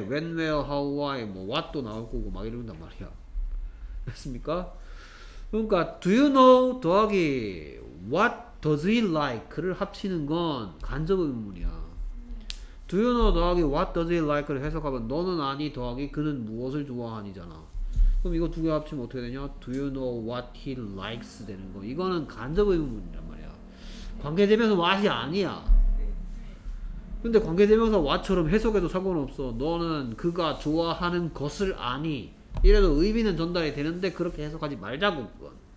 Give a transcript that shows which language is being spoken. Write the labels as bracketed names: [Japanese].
[English] When, where, how, why, [Korean] 뭐 what도 나올 거고 막 이런단 말이야. 됐습니까? 그러니까 [English] do you know [Korean] 더하기 [English] what does he like [Korean] 를 합치는 건 간접 의문문이야. [English] Do you know [Korean] 더하기 [English] what does he like [Korean] 를 해석하면 너는 아니 더하기 그는 무엇을 좋아하니잖아. 그럼 이거 두개 합치면 어떻게 되냐? [English] Do you know what he likes [Korean] 되는 거. 이거는 간접 의문문이란 말이야. 관계대명사 what이 아니야. 근데 관계대명사 what처럼 해석해도 상관없어. 너는 그가 좋아하는 것을 아니. 이래도 의미는 전달이 되는데 그렇게 해석하지 말자고 그건.